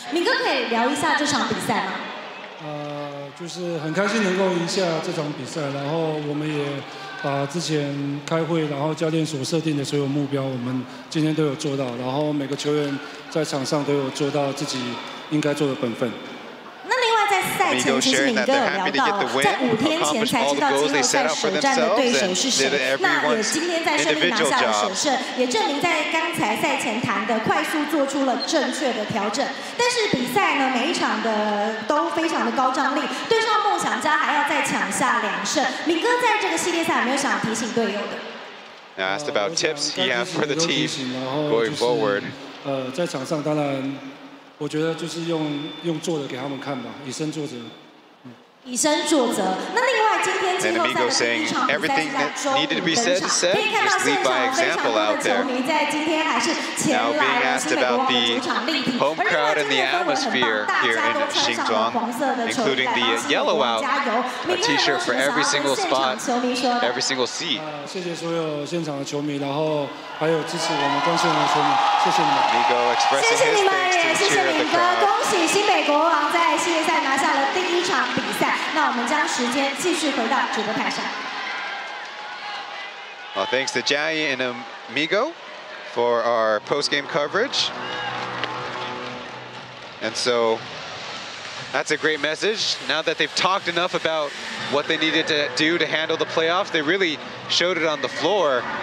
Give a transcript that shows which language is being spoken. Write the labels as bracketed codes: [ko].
[zh] 好，恭喜新北国王拿下季后赛的首胜哦。那嘉义在场边访问到，当然就是敏哥杨敬敏了。那首先第一题哦，想要问的是，今天其实从开节国王就打得很有侵略性，不管是命中率很高，防守也做得相当的成功，一路都是双位数的领先，甚至在第三节扩大领先来到了30分。敏哥可以聊一下这场比赛吗？就是很开心能够赢下这场比赛，然后我们也把之前开会然后教练所设定的所有目标，我们今天都有做到，然后每个球员在场上都有做到自己应该做的本分。那另外在赛 [en] Amigo sharing that they're happy to get the win, accomplished all the goals they set out for themselves, and did everyone's individual job. Now, asked about tips he has for the team going forward. [zh] 在场上当然我觉得就是用坐着给他们看吧，以身作则。以身作则。那另外今天季后赛的第一场比赛在周五登场，可以看到现场非常多的球迷在今天还是前来新北国王的主场力挺，而且今天的氛围很棒，大家都穿上了黄色的球衣来帮新北国王加油。明天有什么想要对现场球迷说的？谢谢所有现场的球迷，然后还有支持我们关心的球迷，谢谢你们。 [en] Amigo expressing his thanks to the cheer of the crowd. [zh] 谢谢你们，恭喜新北国王在系列赛拿下了第一场比赛。那我们将时间继续回到主播台上。 [en] Well, thanks to Jai and Amigo for our post-game coverage. And so that's a great message. Now that they've talked enough about what they needed to do to handle the playoffs, they really showed it on the floor.